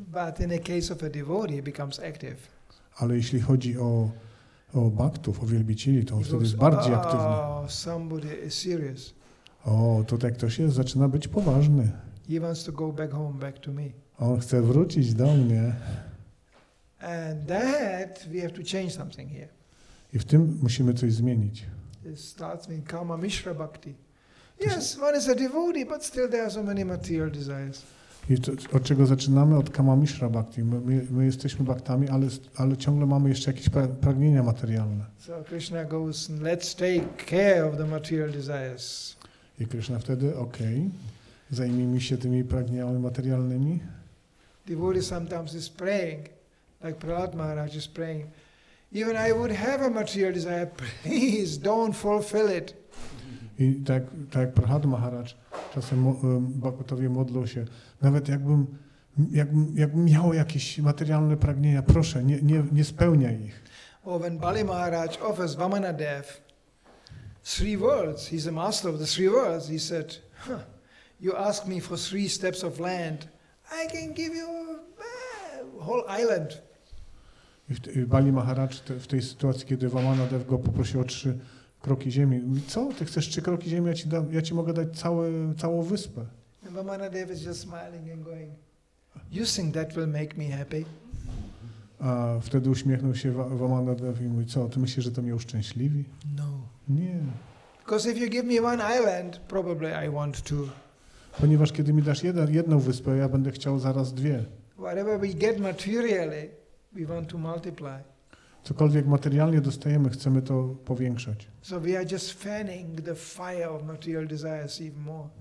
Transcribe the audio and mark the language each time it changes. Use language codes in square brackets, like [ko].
[en] But in the case of a devotee, he becomes active. [pl] Ale jeśli chodzi o baktów, o wielbicieli, to on wtedy jest bardziej aktywny. [en] Somebody is serious. [pl] O, tutaj ktoś jest, zaczyna być poważny. [en] He wants to go back home, back to me. [pl] On chce wrócić do mnie. [en] And that we have to change something here. [pl] I w tym musimy coś zmienić. [en] It starts with Kama Mishra Bhakti. Yes, one is a devotee, but still there are so many material desires. [pl] I to, od czego zaczynamy? Od Kama Mishra Bhakti. My jesteśmy baktami, ale ciągle mamy jeszcze jakieś pragnienia materialne. [en] So Krishna goes, let's take care of the material desires. [pl] I Krishna wtedy, okej, okay, zajmijmy się tymi pragnieniami materialnymi. [en] Devotee sometimes is praying, like Prahlad Maharaj is praying. Even I would have a material desire, please don't fulfill it. [pl] I tak jak Prahlad Maharaj, czasem Bhagavatowie modlą się, nawet jakbym miał jakieś materialne pragnienia, proszę, nie spełniaj ich. [en] Or when Bali Maharaj offers Vamana Dev three worlds, he's a master of the three worlds, he said, you ask me for three steps of land, I can give you a whole island. [pl] Bali Maharaj w tej sytuacji, kiedy Vamana Dev go poprosił o trzy kroki ziemi. Co? Ty chcesz trzy kroki ziemi? Ja ci mogę dać całą wyspę. [en] Vamana Dev is just smiling and going, you think that will make me happy? [pl] A wtedy uśmiechnął się Vamana Dev i mówi, co? Ty myślisz, że to mnie uszczęśliwi? [en] No. [pl] Nie. [en] Because if you give me one island, probably I want two. [pl] Ponieważ kiedy mi dasz jedną wyspę, ja będę chciał zaraz dwie. [en] Whatever we get materially, we want to multiply. [pl] Cokolwiek materialnie dostajemy, chcemy to powiększać. [en] So we are just fanning the fire of material desires even more.